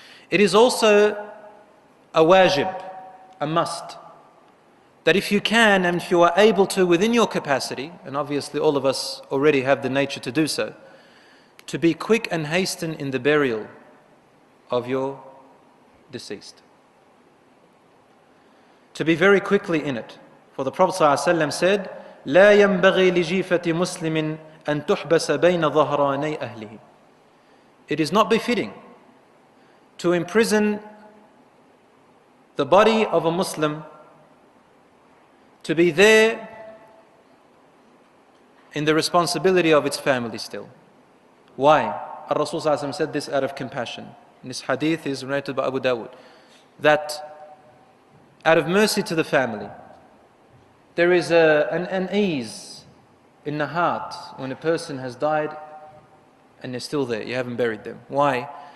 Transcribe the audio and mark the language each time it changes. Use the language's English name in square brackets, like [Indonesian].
[English] It is also a wajib, a must, that if you can and if you are able to within your capacity, and obviously all of us already have the nature to do so, to be quick and hasten in the burial of your deceased. To be very quickly in it. For the Prophet ﷺ said, [Arabic] لا ينبغي لجيفة مسلم أن تحبس بين ظهراني أهله. [English] It is not befitting to imprison the body of a Muslim to be there in the responsibility of its family still. Why? Rasul ﷺ said this out of compassion. And this hadith is narrated by Abu Dawud, that out of mercy to the family, there is an ease in the heart when a person has died and they're still there. You haven't buried them. Why?